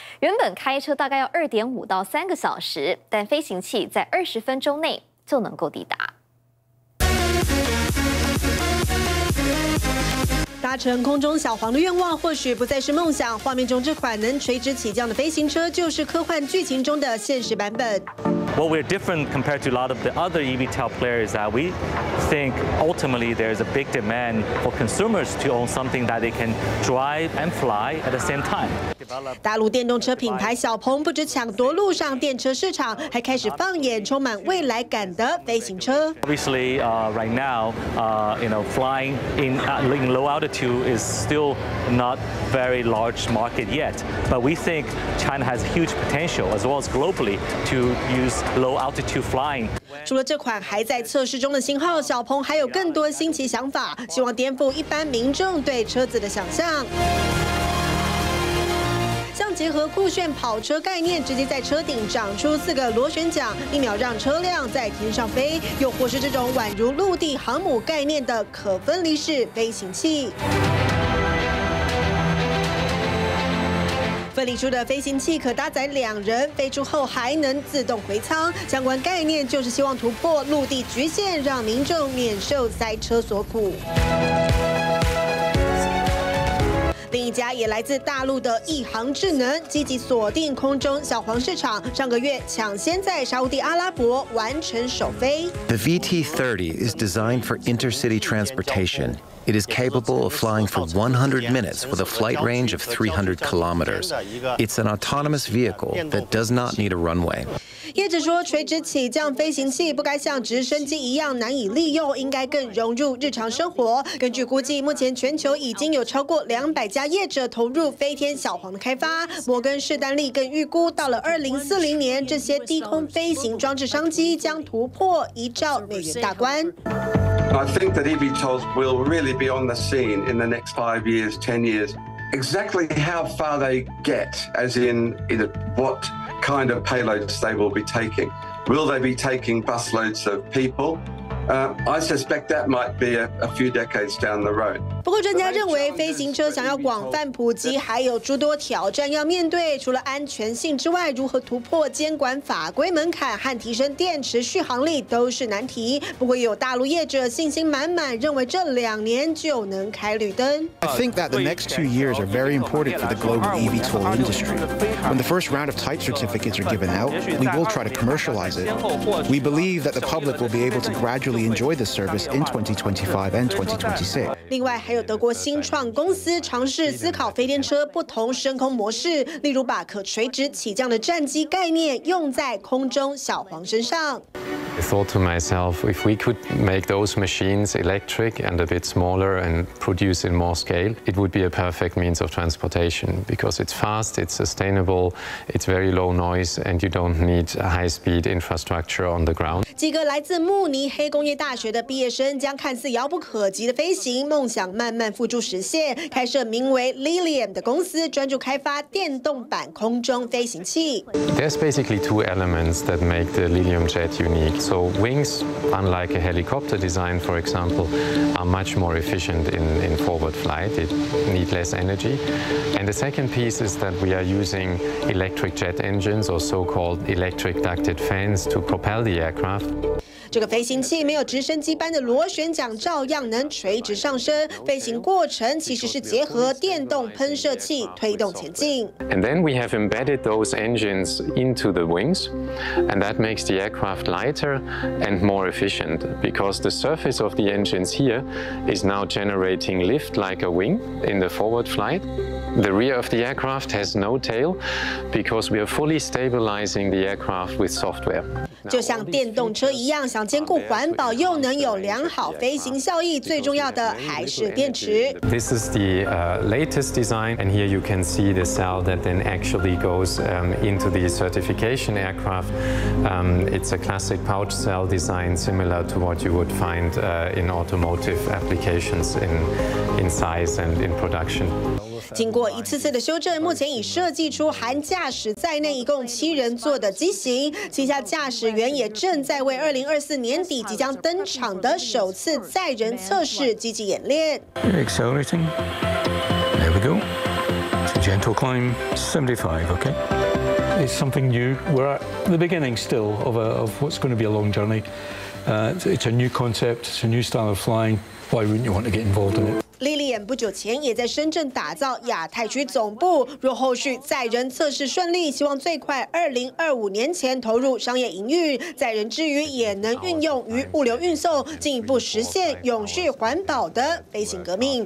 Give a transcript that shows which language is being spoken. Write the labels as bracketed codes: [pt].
[zh] 原本开车大概要2.5到3个小时，但飞行器在20分钟内就能够抵达。搭乘空中小黄的愿望或许不再是梦想，画面中这款能垂直起降的飞行车就是科幻剧情中的现实版本。 [en] What we're different compared to a lot of the other eVTOL players is that we think ultimately there is a big demand for consumers to own something that they can drive and fly at the same time. [zh] 大陆电动车品牌小鹏不止抢夺陆上电车市场，还开始放眼充满未来感的飞行车。 [en] Obviously, right now, you know, flying in low altitude is still not very large market yet. But we think China has huge potential as well as globally to use. Low altitude flying. [zh] 除了这款还在测试中的型号，小鹏还有更多新奇想法，希望颠覆一般民众对车子的想象。像结合酷炫跑车概念，直接在车顶长出4个螺旋桨，一秒让车辆在天上飞；又或是这种宛如陆地航母概念的可分离式飞行器。分离出的飞行器可搭载2人，飞出后还能自动回舱。相关概念就是希望突破陆地局限，让民众免受塞车所苦。另一家也来自大陆的一航智能，积极锁定空中小黄市场，上个月抢先在沙地阿拉伯完成首飞。 [en] The VT-30 is designed for intercity transportation. It is capable of flying for 100 minutes with a flight range of 300 kilometers. It's an autonomous vehicle that does not need a runway. [zh] 业者说，垂直起降飞行器不该像直升机一样难以利用，应该更融入日常生活。根据估计，目前全球已经有超过200家业者投入飞天小黄的开发。摩根士丹利更预估，到了2040年，这些低空飞行装置商机将突破1兆美元大关。 [en] I think that eVTOLs will really be on the scene in the next 5 years, 10 years. Exactly how far they get, as in either what kind of payloads they will be taking. Will they be taking busloads of people? I suspect that might be a few decades down the road. [zh] 不过专家认为飞行车想要广泛普及还有诸多挑战要面对，除了安全性之外，如何突破监管法规门槛和提升电池续航力都是难题。不过有大陆业者信心满满，认为这2年就能开绿灯。 [en] I think that the next 2 years are very important for the global eVTOL industry. When the first round of type certificates are given out, we will try to commercialize it. We believe that the public will be able to graduate. Enjoy the service in 2025 and 2026. [zh] 另外，还有德国新创公司尝试思考飞天车不同升空模式，例如把可垂直起降的战机概念用在空中小黄身上。 [en] I thought to myself, if we could make those machines electric and a bit smaller and produce in more scale, it would be a perfect means of transportation because it's fast, it's sustainable, it's very low noise, and you don't need a high-speed infrastructure on the ground. [zh] 几个来自慕尼黑工业大学的毕业生将看似遥不可及的飞行梦想慢慢付诸实现，开设名为 Lilium 的公司，专注开发电动版空中飞行器。 [en] There's basically two elements that make the Lilium jet unique. So wings, unlike a helicopter design, for example, are much more efficient in forward flight. It needs less energy. And the second piece is that we are using electric jet engines or so-called electric ducted fans to propel the aircraft. [zh] 这个飞行器没有直升机般的螺旋桨，照样能垂直上升。飞行过程其实是结合电动喷射器推动前进。 [en] And then we have embedded those engines into the wings, and that makes the aircraft lighter and more efficient because the surface of the engines here is now generating lift like a wing in the forward flight. The rear of the aircraft has no tail because we are fully stabilizing the aircraft with software. [zh] 就像电动车一样，想。想兼顾环保又能有良好飞行效益，最重要的还是电池。 [en] This is the latest design, and here you can see the cell that then actually goes into the certification aircraft. It's a classic pouch cell design, similar to what you would find in automotive applications in size and in production. [zh] 经过一次次的修正，目前已设计出含驾驶在内一共七人座的机型。旗下驾驶员也正在为2024年底即将登场的首次载人测试积极演练。 [en] Accelerating. There we go. It's a gentle climb. 75. Okay. It's something new. We're at the beginning still of what's going to be a long journey. It's a new concept. It's a new style of flying. Why wouldn't you want to get involved in it? [zh] 莉莉安不久前也在深圳打造亚太区总部，若后续载人测试顺利，希望最快2025年前投入商业营运。载人之余也能运用于物流运送，进一步实现永续环保的飞行革命。